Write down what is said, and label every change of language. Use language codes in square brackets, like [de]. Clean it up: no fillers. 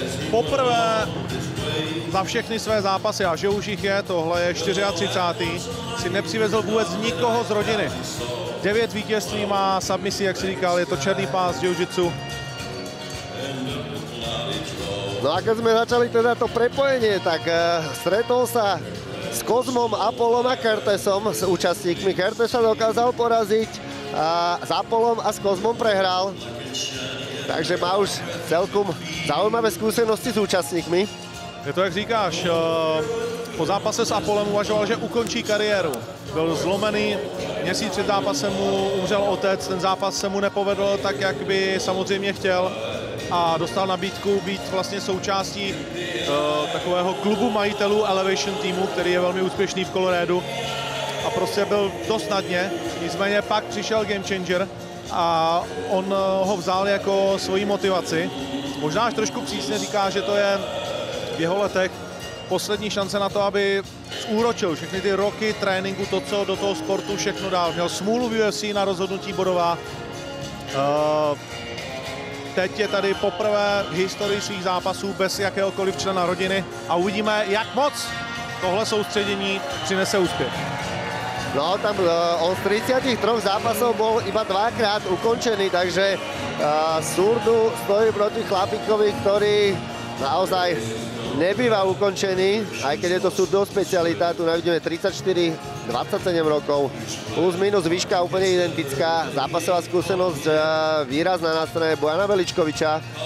[cs] Poprvé za všechny své zápasy, a že už jich je, tohle je 34. si nepřivezl vůbec nikoho z rodiny. 9 vítězství má submisí, jak si říkal, je to černý pás jiu-jitsu. [sk] No a keď sme začali teda to prepojenie, tak stretol sa s Kozmom Apollom a Kertesom, s účastníkmi. Kertes sa dokázal poraziť a s Apollom a s Kozmom prehral. Takže má už celkom zaujímavé skúsenosti s účastníkmi. [cs] Je to, jak říkáš, po zápase s Apollem uvažoval, že ukončí kariéru. Byl zlomený, měsíc před zápasem mu umřel otec, ten zápas se mu nepovedl tak, jak by samozřejmě chtěl. A dostal nabídku být vlastně součástí takového klubu majitelů Elevation týmu, který je velmi úspěšný v Colorédu. A prostě byl dost na dně, nicméně pak přišel Game Changer a on ho vzal jako svoji motivaci. Možná až trošku přísně říká, že to je v jeho letech poslední šance na to, aby zúročil všechny ty roky tréninku, to, co do toho sportu všechno dál. Měl smůlu v UFC na rozhodnutí bodová. Teď je tady poprvé v historii svých zápasů bez jakéhokoliv člena rodiny a uvidíme, jak moc tohle soustředění přinese úspěch. [sk] No, tam od 33 zápasov bol iba dvakrát ukončený, takže Surdu stojí proti chlapíkovi, ktorý naozaj nebýva ukončený, aj keď je to Surdu specialita. Tu navidíme 34, 27 rokov, plus minus výška úplne identická, zápasová skúsenosť výrazná na strane Bojana Veličkoviča.